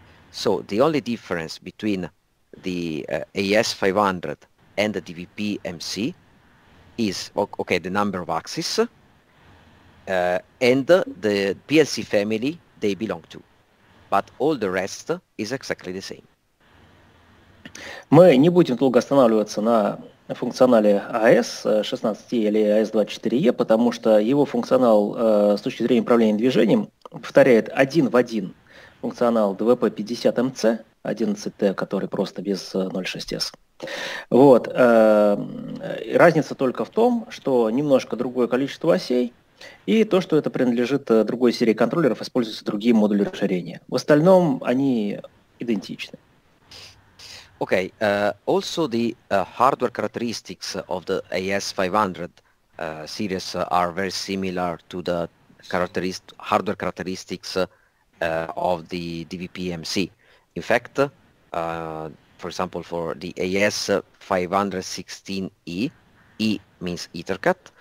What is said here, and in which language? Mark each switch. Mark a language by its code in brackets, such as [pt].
[en] So the only difference between the AS500 and the DVP-MC is, okay, the number of axes and the PLC family they belong to. But all the rest is exactly the same. [ru] Мы не будем долго останавливаться на функционале AS16E или AS24E, потому что его функционал с точки зрения управления движением повторяет один в один функционал DVP-50MC, 11T, который просто без 06S. Вот. Разница только в том, что немножко другое количество осей, и то, что это принадлежит другой серии контроллеров, используются другие модули расширения. В остальном они идентичны. [en] Okay, also the hardware characteristics of the AS500 series are very similar to the hardware characteristics of the DVP-MC. In fact, for example, for the AS516E, E means EtherCAT.